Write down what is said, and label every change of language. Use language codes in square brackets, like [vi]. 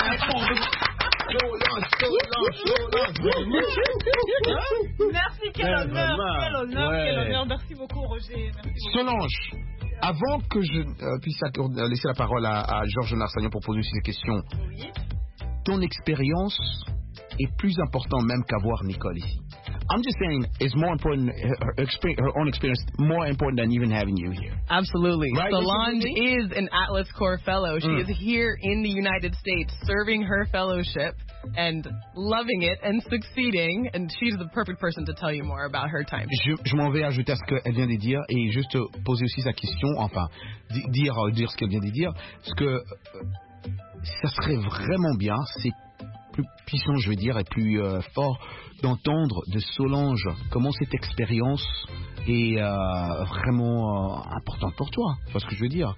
[fr] Merci, quel honneur. Merci beaucoup, Roger. Merci beaucoup. Solange, avant que je puisse laisser la parole à Georges Narsagnon pour poser une question, ton expérience est plus importante même qu'avoir Nicole ici. [en] I'm just saying, it's more important, her own experience, more important than even having you here. Absolutely. Right? Solange is an Atlas Corps fellow. She is here in the United States serving her fellowship and loving it and succeeding. And she's the perfect person to tell you more about her time. [fr] Je m'en vais ajouter à ce qu'elle vient de dire et juste poser aussi sa question, enfin, dire ce qu'elle vient de dire. Parce que ça serait vraiment bien, c'est plus puissant, je veux dire, et plus fort d'entendre de Solange comment cette expérience est vraiment importante pour toi. Tu vois ce que je veux dire?